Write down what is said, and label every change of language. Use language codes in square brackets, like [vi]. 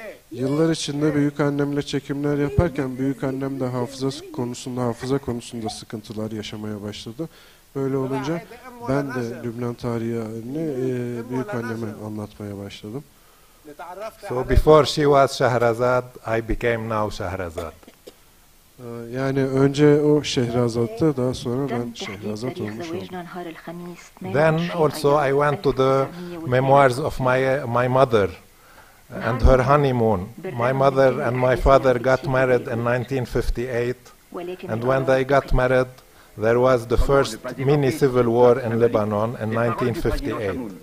[tr] Yıllar içinde büyük annemle çekimler yaparken büyük annem de hafıza konusunda sıkıntılar yaşamaya başladı. Böyle olunca ben de Lübnan tarihini büyük anneme anlatmaya başladım. [en] So before she was Şehrazad, I became now Şehrazad. [tr] Yani önce o Şehrazad'tı, daha sonra ben Şehrazad olmuş oldum. [en] Then also I went to the memoirs of my mother and her honeymoon. My mother and my father got married in 1958, and when they got married, there was the first mini civil war in Lebanon in 1958.